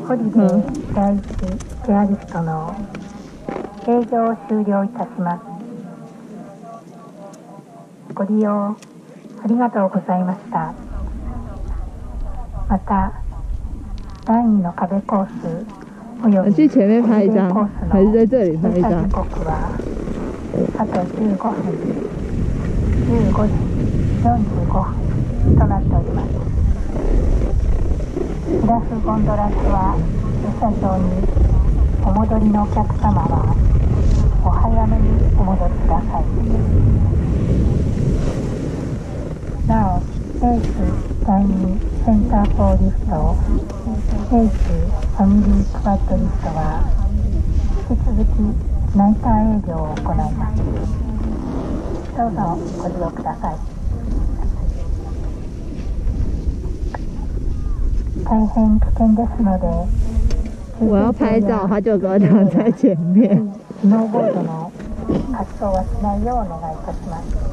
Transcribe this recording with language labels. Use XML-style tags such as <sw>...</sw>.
<ja>本日第一ペアリストの営業を終了いたします。ご利用ありがとうございました。また第2の壁コースおよび</ja> <zh>前面拍一張还是在这里拍一张</zh> <ja>あと15分、15時45分となっております。プラスゴンドラツアー駐車場にお戻りのお客様はお早めにお戻りください。なお、エース第2センターフォーリフト、エースファミリークワッドリフトは引き続きナイター営業を行います。どうぞご利用ください。大変危険ですので、</ja> <zh>我要拍照、他就跟我讲在前面。</zh> <ja>スノーボードの滑走はしないようお願いいたします。</ja>